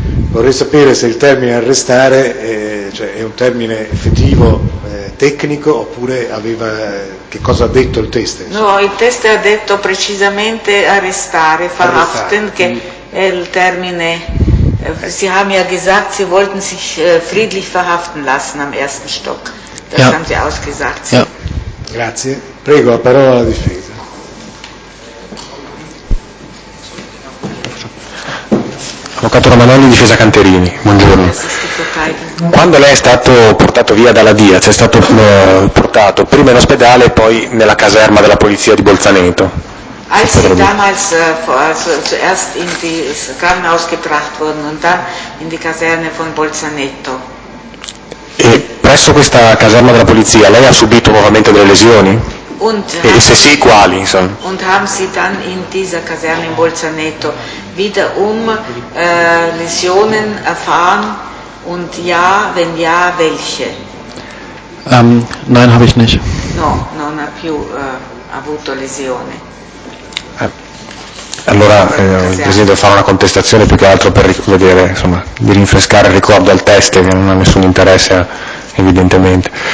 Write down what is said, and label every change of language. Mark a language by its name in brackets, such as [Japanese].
[Italian] Vorrei sapere se il termine arrestare cioè è un termine effettivo, tecnico, oppure aveva che cosa ha detto il teste? No, il teste ha detto precisamente arrestare, verhaften, che è il termine. [German] Sie haben ja gesagt, sie wollten sich friedlich verhaften lassen am ersten Stock. Das ja. haben sie ausgesagt. Ja. [Italian] Grazie. Prego, la parola alla difesa. Avvocato Romanelli, difesa Canterini, buongiorno. Quando lei è stato portato via dalla Diaz, è stato portato prima in ospedale e poi nella caserma della polizia di Bolzaneto? [German] Als sie damals zuerst in das Krankenhaus gebracht wurden und dann in die Kaserne von Bolzaneto. [Italian] E presso questa caserma della polizia lei ha subito nuovamente delle lesioni? [German] Und [Italian] e se sì, quali, insomma? [German] Und haben sie dann in dieser Kaserne in Bolzaneto wiederum Läsionen erfahren? Und ja, wenn ja, welche? Nein, habe ich nicht. [Italian] No, non ha più avuto lesione. Allora, desidero fare una contestazione più che altro per vedere, insomma, di rinfrescare il ricordo al teste, che non ha nessun interesse, evidentemente.